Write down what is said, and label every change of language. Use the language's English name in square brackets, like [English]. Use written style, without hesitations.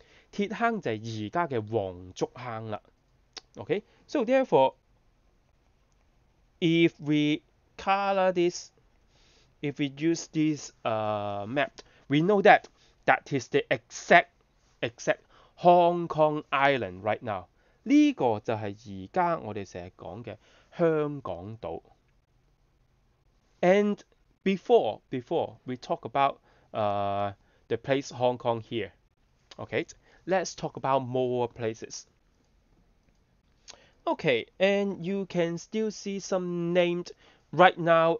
[Cantonese] Tiet Hang 就係而家嘅黃竹坑啦。 [English] Okay, so therefore if we color this, if we use this map, we know that is the exact Hong Kong Island right now. [Cantonese] 呢個就係而家我哋成日講嘅香港島. [English] And before we talk about the place Hong Kong here, okay, let's talk about more places. Okay, and you can still see some named right now.